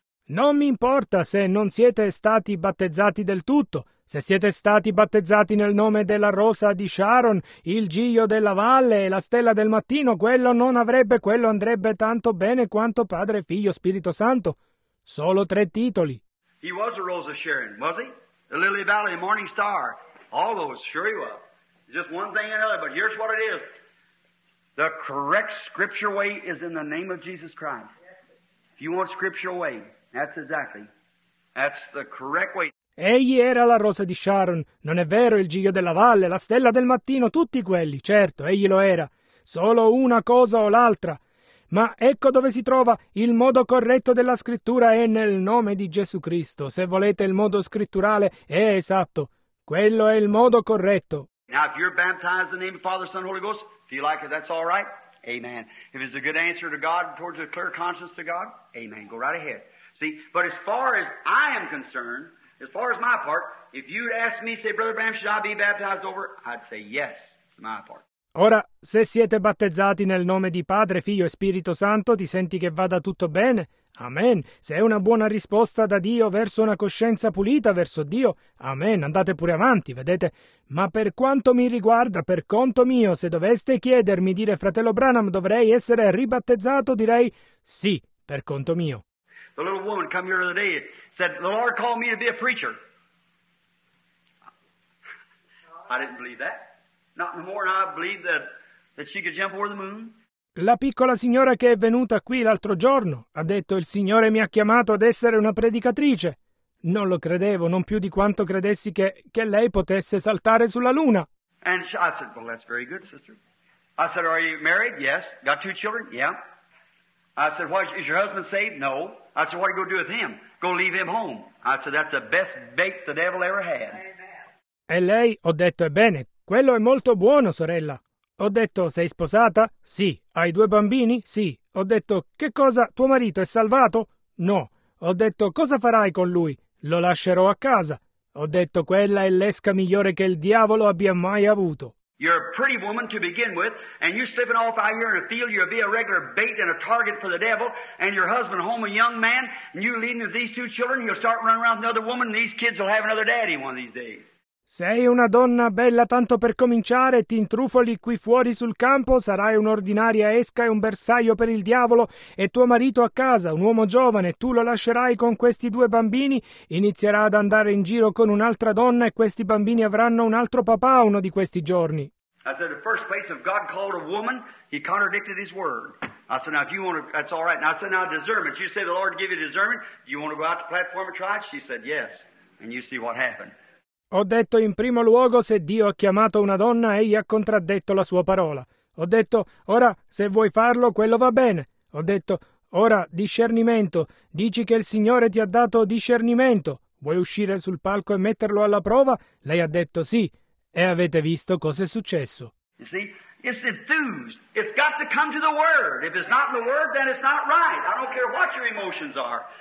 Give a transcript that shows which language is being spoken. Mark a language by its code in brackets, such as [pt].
[it] Non mi importa se non siete stati battezzati del tutto, se siete stati battezzati nel nome della Rosa di Sharon, il Giglio della Valle e la Stella del Mattino, quello andrebbe tanto bene quanto Padre, Figlio, Spirito Santo. Solo tre titoli. [en] He was a Rosa Sharon, was he? The Lily Valley, the Morning Star, all those, sure he was. Just one thing and another, but here's what it is. The correct scripture way is in the name of Jesus Christ. If you want scripture way, that's exactly. That's the correct way. [it] Egli era la Rosa di Sharon, non è vero, il Giglio della Valle, la Stella del Mattino, tutti quelli, certo, egli lo era. Solo una cosa o l'altra. Ma ecco dove si trova il modo corretto della scrittura è nel nome di Gesù Cristo. Se volete il modo scritturale, è esatto. Quello è il modo corretto. [en] Now if you're baptized in the name of Father, Son, Holy Ghost, if you like it, that's all right. Amen. If it's a good answer to God, towards a clear conscience to God, amen. Go right ahead. See, but as far as I am concerned, as far as my part, if you'd ask me, say, Brother Branham, should I be baptized over? I'd say yes, my part. [it] Ora, se siete battezzati nel nome di Padre, Figlio e Spirito Santo, ti senti che vada tutto bene? Amen. Se è una buona risposta da Dio verso una coscienza pulita verso Dio, amen. Andate pure avanti, vedete? Ma per quanto mi riguarda, per conto mio, se doveste chiedermi, dire, fratello Branham, dovrei essere ribattezzato, direi sì, per conto mio. [en] The little woman come here the other day said, the Lord called me to be a preacher. I didn't believe that. Not no more than I believe that she could jump over the moon. [it] La piccola signora che è venuta qui l'altro giorno ha detto il Signore mi ha chiamato ad essere una predicatrice. Non lo credevo, non più di quanto credessi che lei potesse saltare sulla luna. [en] And she, I said, well, that's very good, sister. I said, are you married? Yes. Got two children? Yeah. I said, what, is your husband saved? No. I said, what are you going to do with him? Go leave him home. I said, that's the best bait the devil ever had. [it] E lei, ho detto, ebbene, quello è molto buono, sorella. Ho detto, sei sposata? Sì. Hai due bambini? Sì. Ho detto, che cosa, tuo marito è salvato? No. Ho detto, cosa farai con lui? Lo lascerò a casa. Ho detto, quella è l'esca migliore che il diavolo abbia mai avuto. [en] You're a pretty woman to begin with, and you slipping off out here in a field, you'll be a regular bait and a target for the devil, and your husband home, a young man, and you leading with these two children, he'll start running around with another woman, and these kids will have another daddy one of these days. [it] Sei una donna bella tanto per cominciare, ti intrufoli qui fuori sul campo, sarai un'ordinaria esca e un bersaglio per il diavolo, e tuo marito a casa, un uomo giovane, tu lo lascerai con questi due bambini, inizierà ad andare in giro con un'altra donna e questi bambini avranno un altro papà uno di questi giorni. [en] I said, the first place of God called a woman, he contradicted his word. I said, now if you want to, that's all right. And I said, now discernment, you say the Lord give you discernment, do you want to go out to the platform and try it? She said, yes, and you see what happened. [it] Ho detto in primo luogo se Dio ha chiamato una donna, egli ha contraddetto la sua parola. Ho detto, ora se vuoi farlo, quello va bene. Ho detto, ora discernimento, dici che il Signore ti ha dato discernimento. Vuoi uscire sul palco e metterlo alla prova? Lei ha detto sì. E avete visto cosa è successo. [en] You see, it's enthused. It's got to come to the Word. If it's not in the Word, then it's not right. I don't care what your emotions are.